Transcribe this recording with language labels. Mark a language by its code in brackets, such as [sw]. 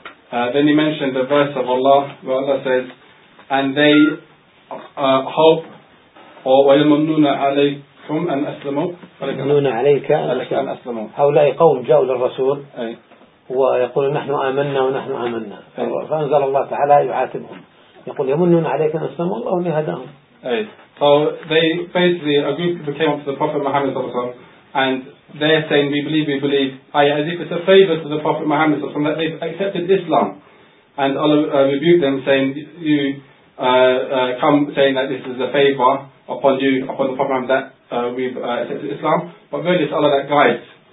[en] Then he mentioned the verse of Allah, where Allah says, "And they hope, or [ar] وَيَمُنُّونَ عَلَيْكُمْ أَنْ أَسْلَمُوا." يَمُنُّونَ عَلَيْكَ أَنْ أَسْلَمُوا. هؤلاء قوم جاءوا للرسول ويقولوا: نحن آمنا ونحن آمنا. فأنزل الله تعالى يعاتبهم، يقول: يمنون عليك أن أسلموا، الله من هداهم. [en] So they basically, a group came up to the Prophet Muhammad sallallahu alaihi wasallam, and they're saying, we believe, as if it's a favor to the Prophet Muhammad sallallahu alaihi wasallam that they've accepted Islam. And Allah rebuked them, saying, you come saying that this is a favor upon you, upon the Prophet Muhammad, that we've accepted Islam, but really it's Allah that guides.